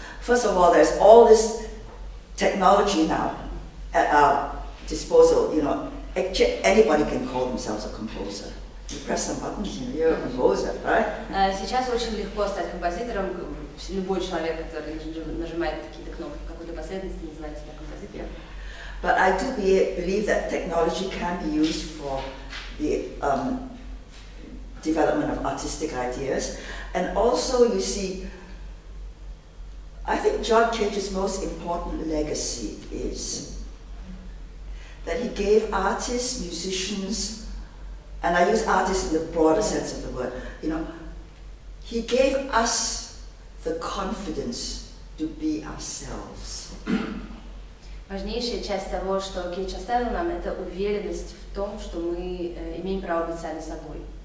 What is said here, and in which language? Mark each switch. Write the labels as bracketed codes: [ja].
[en] First of all, there's all this technology now at our disposal. You know, anybody can call themselves a composer. You press some buttons, and you're a composer, right? [ru] Сейчас очень легко стать композитором. Любой человек, который нажимает какие-то кнопки в какой-то последовательности, называет себя композитором. [en] But I do believe that technology can be used for the development of artistic ideas. And also, you see, I think John Cage's most important legacy is that he gave artists, musicians, and I use artists in the broader sense of the word, you know, he gave us the confidence to be ourselves. [ru] Важнейшая часть того, что Кейдж оставил нам, это уверенность в том, что мы имеем право быть сами собой.